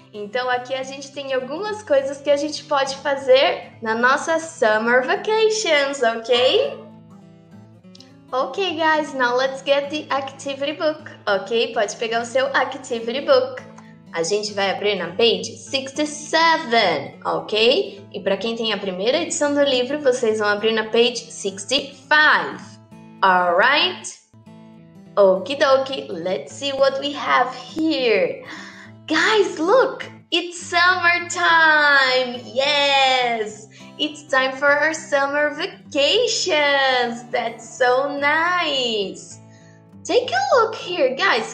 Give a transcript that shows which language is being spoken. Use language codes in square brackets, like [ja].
[pt] Então, aqui a gente tem algumas coisas que a gente pode fazer na nossa summer vacations, ok? [en] Ok, guys, now let's get the activity book. [pt] Ok, pode pegar o seu activity book. A gente vai abrir na page 67, ok? E para quem tem a primeira edição do livro, vocês vão abrir na page 65. [en] Alright? Okie dokie, let's see what we have here. Guys, look! It's summer time! Yes! It's time for our summer vacations! That's so nice! Take a look here, guys.